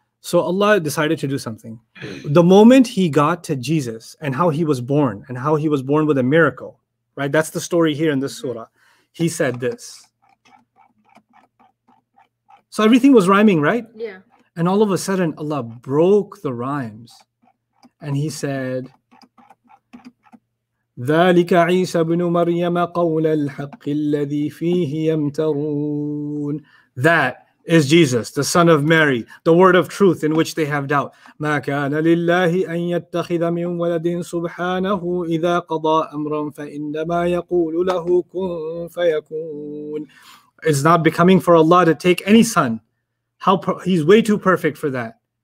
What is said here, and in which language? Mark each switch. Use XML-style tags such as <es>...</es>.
<en>So Allah decided to do something. The moment he got to Jesus and how he was born and how he was born with a miracle, right? That's the story here in this surah. He said this. So everything was rhyming, right? Yeah. And all of a sudden, Allah broke the rhymes. And he said,</en> <ar>ذَلِكَ عِيسَى بْنُ مَرْيَمَ قَوْلَ الْحَقِّ الَّذِي فِيهِ يَمْتَرُونَ.</ar> <en>That is Jesus, the Son of Mary, the word of truth in which they have doubt.</en> <ar>مَا كَانَ لِلَّهِ أَن يَتَّخِذَ مِن وَلَدٍ سُبْحَانَهُ إِذَا قَضَى أَمْرًا فَإِنَّمَا يَقُولُ لَهُ كُن فَيَكُونَ.</ar> <en>It's not becoming for Allah to take any son. How he's way too perfect for that.</en>